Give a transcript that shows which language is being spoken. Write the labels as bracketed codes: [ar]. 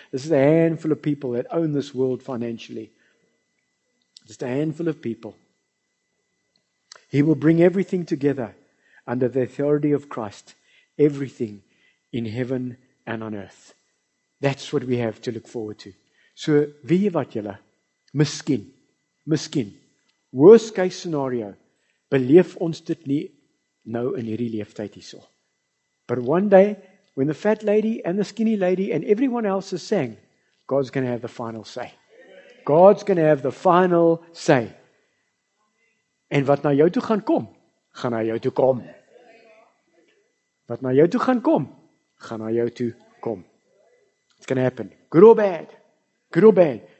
[en] This is a handful of people that own this world financially. Just a handful of people. He will bring everything together under the authority of Christ, everything in heaven and on earth. That's what we have to look forward to. [af] So, wie wat julle, miskien. Miskien, worst case scenario, beleef ons dit nie nou in hierdie leeftijd hierso. [en] But one day, when the fat lady and the skinny lady and everyone else is saying, God's going to have the final say. God's going to have the final say. [af] En wat na jou toe gaan kom, gaan na jou toe kom. Wat na jou toe gaan kom, gaan na jou toe kom. [en] It's going to happen, good or bad. [af] Good or bad.